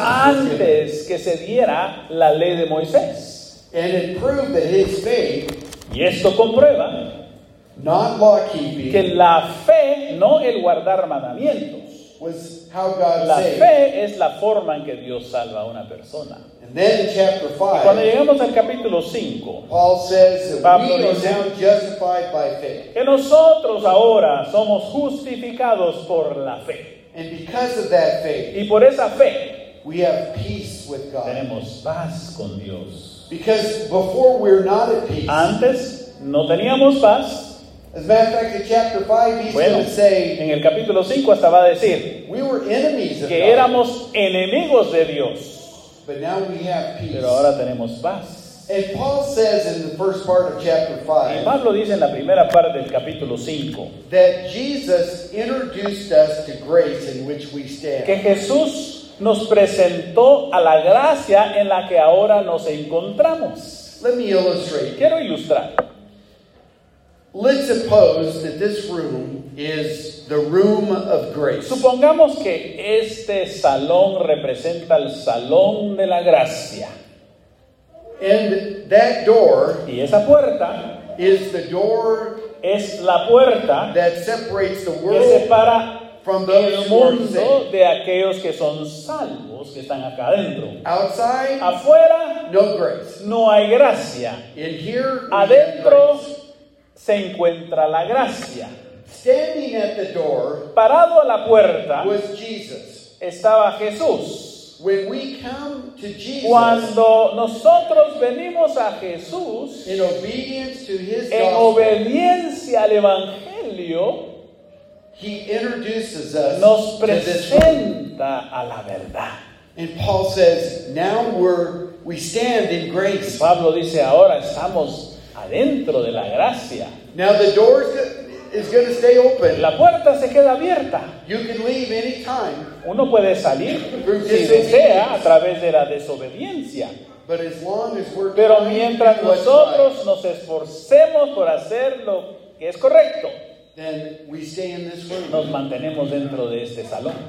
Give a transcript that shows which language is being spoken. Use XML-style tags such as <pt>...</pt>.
<es>antes que se diera la ley de Moisés.</es> <en>And it proved that his faith,</en> <es>y esto comprueba</es> <en>not law keeping,</en> <es>que la fe, no el guardar mandamientos,</es> <en>was how God</en> <es>la</es> <en>saved.</en> <es>Fe es la forma en que Dios salva a una persona.</es> <en>And then in chapter 5,</en> <es>cuando llegamos al capítulo 5,</es> <en>Paul says that Pablo we are now justified by faith.</en> <es>Que nosotros ahora somos justificados por la fe.</es> <en>And because of that faith,</en> <es>y por esa fe,</es> <en>we have peace with God.</en> <es>Tenemos paz con Dios.</es> <en>Because before we're not at peace.</en> <es>Antes no teníamos paz.</es> <en>As a matter of fact, in chapter 5, he's</en> <es>bueno,</es> <en>going to say,</en> <es>en el capítulo 5 hasta va a decir,</es> <en>we were enemies of</en> <es>que</es> <en>God.</en> <es>Éramos enemigos de Dios.</es> <en>But now we have peace.</en> <es>Pero ahora tenemos paz.</es> <en>And Paul says in the first part of chapter 5,</en> <es>y Pablo dice en la primera parte del capítulo 5,</es> <en>that Jesus introduced us to grace in which we stand.</en> <es>Que Jesús nos presentó a la gracia en la que ahora nos encontramos.</es> <en>Let me illustrate.</en> <es>Quiero ilustrar.</es> <en>Let's suppose that this room is the room of grace.</en> <es>Supongamos que este salón representa el salón de la gracia.</es> <en>And that door,</en> <es>y esa puerta,</es> <en>is the door,</en> <es>es la puerta</es> <en>that separates the world</en> <es>que separa</es> <en>from those</en> <es>el mundo de aquellos que son salvos que están acá adentro.</es> <en>Outside,</en> <es>afuera,</es> <en>no grace.</en> <es>No hay gracia.</es> <en>In here,</en> <es>adentro se encuentra la gracia.</es> <en>Standing at the door,</en> <es>parado a la puerta,</es> <en>was Jesus.</en> <es>Estaba Jesús.</es> <en>When we come to Jesus,</en> <es>cuando nosotros venimos a Jesús,</es> <en>in obedience to his gospel,</en> <es>en obediencia al Evangelio,</es> <en>he introduces us</en> <es>nos presenta a la verdad.</es> <en>And Paul says, now we stand in grace.</en> <es>Pablo dice, ahora estamos adentro de la gracia.</es> <en>Now the door is going to stay open.</en> <es>La puerta se queda abierta.</es> <en>You can leave anytime.</en> <es>Uno puede salir si desea a través de la desobediencia.</es> <en>But as long as we're</en> <es>pero mientras nosotros nos esforcemos por hacer lo que es correcto,</es> <en>then we stay in this room.</en> <es>Nos mantenemos dentro de este salón.</es>